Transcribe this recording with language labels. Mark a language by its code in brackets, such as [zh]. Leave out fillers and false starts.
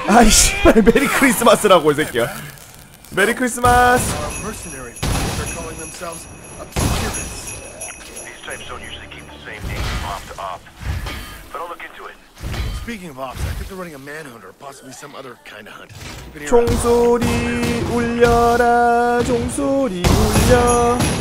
[ko] 아이씨, 메리 크리스마스라고, 이 새끼야. 메리 크리스마스. [en] These types don't usually keep the same name from op to op, but I'll look into it. Speaking of ops, I think they're running a manhunt or possibly some other kind of hunt. [ko] 종소리 울려라, 종소리 울려.